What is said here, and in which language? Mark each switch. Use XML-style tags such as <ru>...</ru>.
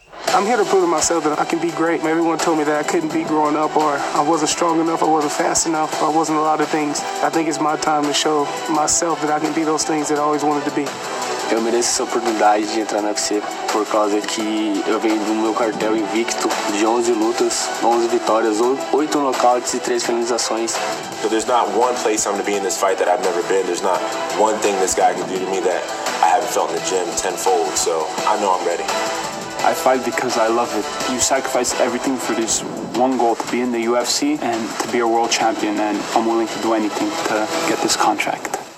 <en>I'm here to prove to myself that I can be great. Everyone told me that I couldn't be growing up, or I wasn't strong enough, I wasn't fast enough, or I wasn't a lot of things. I think it's my time to show myself that I can be those things that I always wanted to be.</en> <pt>Eu mereço essa oportunidade de entrar no UFC por causa que eu venho do meu cartel invicto de 11 lutas, 11 vitórias, 8 nocautes e 3 finalizações.</pt> <en>So there's not one place I'm going to be in this fight that I've never been. There's not one thing this guy can do to me that I haven't felt in the gym tenfold. So I know I'm ready. I fight because I love it. You sacrifice everything for this one goal, to be in the UFC and to be a world champion. And I'm willing to do anything to get this contract.</en>